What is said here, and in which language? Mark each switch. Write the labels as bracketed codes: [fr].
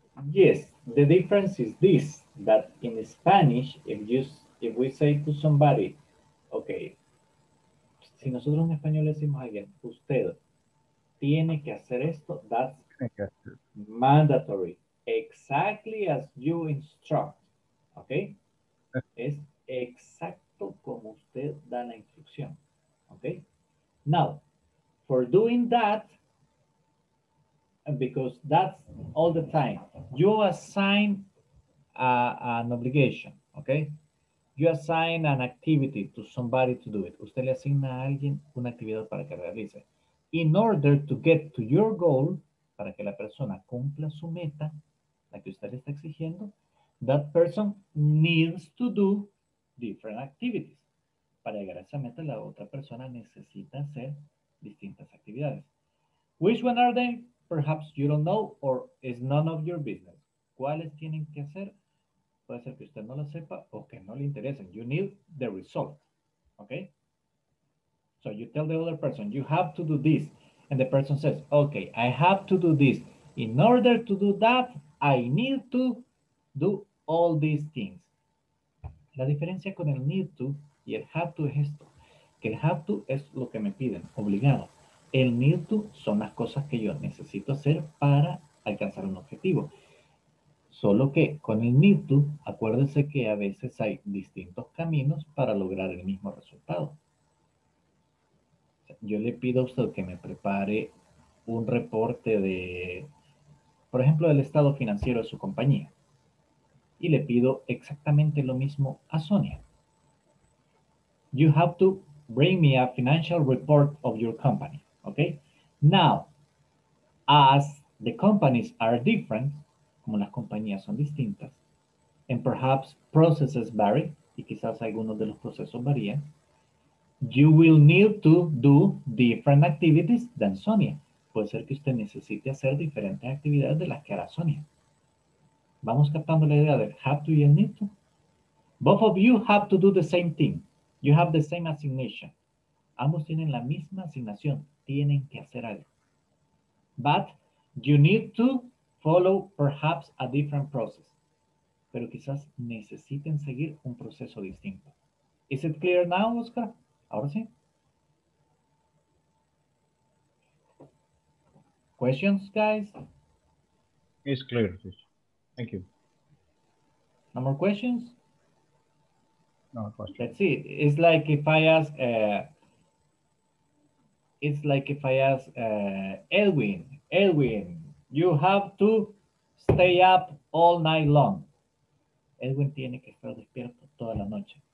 [en] Yes, the difference is this, that in Spanish, if we say to somebody, okay, [es] si nosotros en español decimos a alguien, usted tiene que hacer esto, [en] that's mandatory, exactly as you instruct, okay? [es] Es exacto como usted da la instrucción, okay? [en] Now, for doing that, because that's all the time, you assign an obligation, okay? You assign an activity to somebody to do it. [es] Usted le asigna a alguien una actividad para que realice. [en] In order to get to your goal, [es] para que la persona cumpla su meta, la que usted le está exigiendo, [en] that person needs to do different activities. [es] Para llegar a esa meta, la otra persona necesita hacer distintas actividades. [en] Which one are they? Perhaps you don't know or is none of your business. [es] ¿Cuáles tienen que hacer? Puede ser que usted no lo sepa o que no le interesen. [en] You need the result, okay? So you tell the other person, you have to do this. And the person says, okay, I have to do this. In order to do that, I need to do all these things. [es] La diferencia con el need to y el have to es esto. Que el have to es lo que me piden, obligado. El need to son las cosas que yo necesito hacer para alcanzar un objetivo. Solo que con el need to, acuérdense que a veces hay distintos caminos para lograr el mismo resultado. Yo le pido a usted que me prepare un reporte de, por ejemplo, del estado financiero de su compañía. Y le pido exactamente lo mismo a Sonia. [en] You have to bring me a financial report of your company. Okay? Now, as the companies are different, [es] como las compañías son distintas, [en] and perhaps processes vary, [es] y quizás algunos de los procesos varían, [en] you will need to do different activities than Sonia. [es] Puede ser que usted necesite hacer diferentes actividades de las que hará Sonia. Vamos captando la idea del have to y el need to. [en] Both of you have to do the same thing. You have the same assignation. [es] Ambos tienen la misma asignación. Tienen que hacer algo. [en] But you need to follow perhaps a different process. [es] Pero quizás necesiten seguir un proceso distinto. [en] Is it clear now, Oscar? [es] Ahora sí. [en] Questions, guys? It's clear, please. Thank you. No more questions? No questions. Let's see. It's like if I ask, Edwin, you have to stay up all night long. [es] Edwin tiene que estar despierto toda la noche.